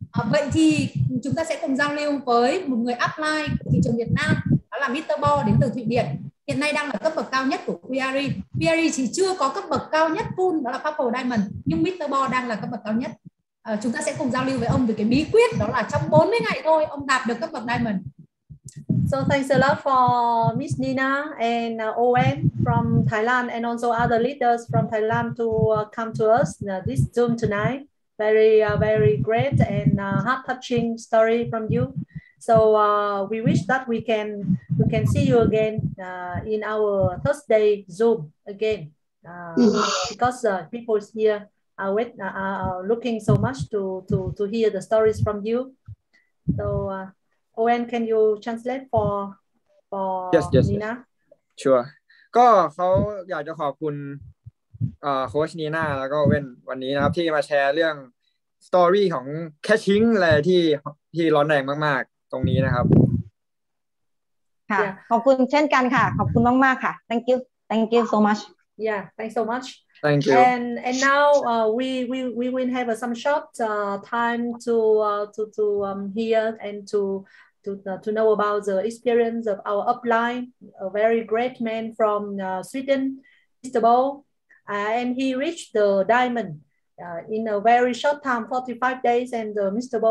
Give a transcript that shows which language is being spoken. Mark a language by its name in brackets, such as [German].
[Vietnamese] Vậy thì chúng ta sẽ cùng giao lưu với một người apply của thị trường Việt Nam, đó là Mr. Bo đến từ Thụy Điển, hiện nay đang là cấp bậc cao nhất của Quarry. Quarry chỉ chưa có cấp bậc cao nhất full, đó là Purple Diamond, nhưng Mr. Bo đang là cấp bậc cao nhất. Chúng ta sẽ cùng giao lưu với ông về cái bí quyết, đó là trong 40 ngày thôi ông đạt được cấp bậc Diamond. [English] So thanks a lot for Miss Nina and Owen from Thailand and also other leaders from Thailand to come to us this Zoom tonight. Very, very great and heart touching story from you. So we wish that we can see you again in our Thursday Zoom again because people here are looking so much to hear the stories from you. So Owen, can you translate for yes, Nina? Yes. Sure. [Thai] ก็เขาอยากจะขอบคุณโค้ช Nina แล้วก็ Owen วันนี้นะครับที่มาแชร์เรื่องสตอรี่ของแคชชิ่งอะไรที่ร้อนแรงมากๆตรงนี้นะครับ ค่ะขอบคุณเช่นกันค่ะขอบคุณมากๆค่ะ [English] thank you so much yeah thanks so much thank you and now we will have some short time to hear and to know about the experience of our upline, a very great man from Sweden, Mr. Bo, and he reached the diamond in a very short time, 45 days, and Mr.